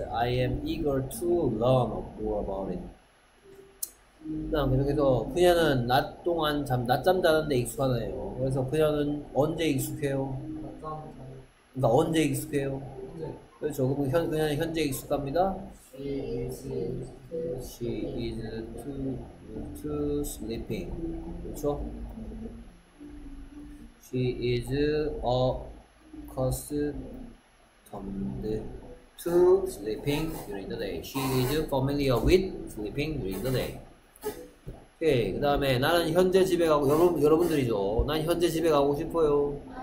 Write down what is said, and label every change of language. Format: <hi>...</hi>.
<en>I am eager to learn more about it.</en> <ko>그다음 계속해서 그녀는 낮 동안 낮잠 자는데 익숙하네요. 그래서 그녀는 언제 익숙해요? 낮잠 그러니까 언제 익숙해요? 언제? 그렇죠. 그럼 그녀는 현재 익숙합니다.</ko> <en>She is too sleeping.</en> <ko>그렇죠?</ko> <en>She is accustomed to sleeping during the day. She is familiar with sleeping during the day.</en> <ko>오케이. 그 다음에 나는 현재 집에 가고 여러분들이죠. 난 현재 집에 가고 싶어요.</ko>